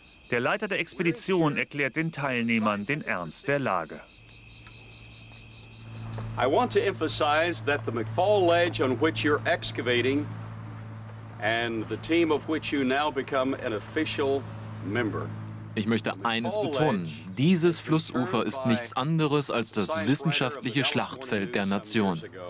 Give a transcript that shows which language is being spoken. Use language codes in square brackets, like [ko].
[de] Der Leiter der Expedition erklärt den Teilnehmern den Ernst der Lage. [en] I want to emphasize that the McFall Ledge on which you're excavating and the team of which you now become an official member. [de] Ich möchte eines betonen. Dieses Flussufer ist nichts anderes als das wissenschaftliche Schlachtfeld der Nation.